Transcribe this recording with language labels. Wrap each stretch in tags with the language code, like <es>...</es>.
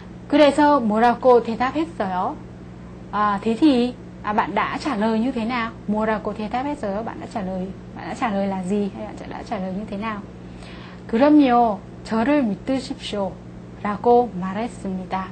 <ko>그래서 뭐라고 대답했어요?</ko> <vi>Thế thì bạn đã trả lời như thế nào?</vi> <ko>뭐라고 대답했어요?</ko> <vi>Bạn đã trả lời là gì? Hay bạn đã trả lời như thế nào?</vi> <ko>그럼요. 저를 믿으십시오 라고 말했습니다.</ko>